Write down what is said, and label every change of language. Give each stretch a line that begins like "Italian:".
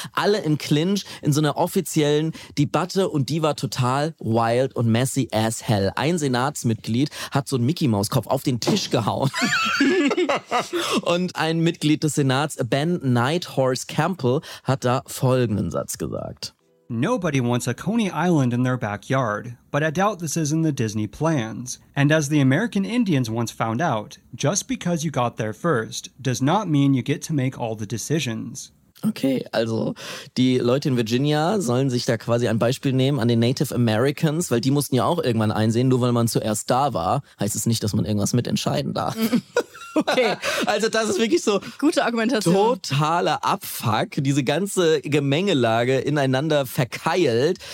German: Alle im Clinch, in so einer offiziellen Debatte und die war total wild und
English: messy as hell.
German: Ein Senatsmitglied hat so einen Mickey-Maus-Kopf auf den Tisch gehauen. Und ein Mitglied des Senats, Ben Nighthorse Campbell, hat da folgenden Satz gesagt.
English: Nobody wants a Coney Island in their backyard, but I doubt this is in the Disney plans. And as the American Indians once found out, just because you got there first does not mean you get to make all the decisions.
German: Okay, also die Leute in Virginia sollen sich da quasi ein Beispiel nehmen an den Native Americans, weil die mussten ja auch irgendwann einsehen, nur weil man zuerst da war, heißt es nicht, dass man irgendwas mitentscheiden darf. Okay. Also das ist wirklich so gute Argumentation. Totaler Abfuck, diese ganze Gemengelage ineinander verkeilt.